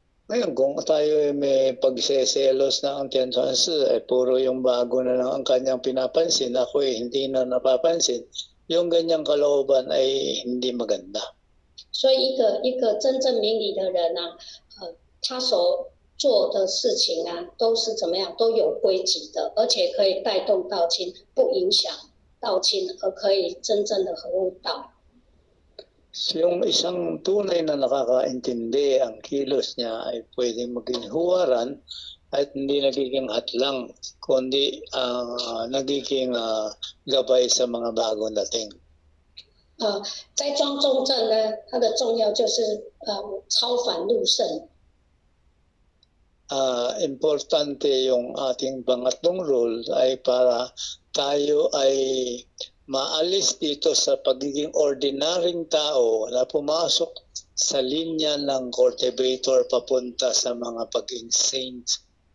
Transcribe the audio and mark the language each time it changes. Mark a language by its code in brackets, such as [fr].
[tl] Ngayon, kung tayo may pagseselos na ang tensyonsa, ay puro yung bago na lang ang kanyang pinapansin, ako ay hindi na napapansin, yung ganyang kalooban ay hindi maganda. [zh] So, 一个真正明理的人啊，他所做的事情啊，都是怎么样，都有规矩的，而且可以带动道亲，不影响道亲，而可以真正的合悟道。 [tl] Yung isang tunay na nakakaintindi ang kilos niya ay pwedeng maging huwaran at hindi nagiging hatlang kundi nagiging gabay sa mga bagong dating. [zh] 斋庄重镇呢，它的重要就是超凡入圣。 [tl] Importante yung ating pangatlong role ay para tayo ay maalis dito sa pagiging ordinaryong tao na pumasok sa linya ng cultivator papunta sa mga pagiging saint.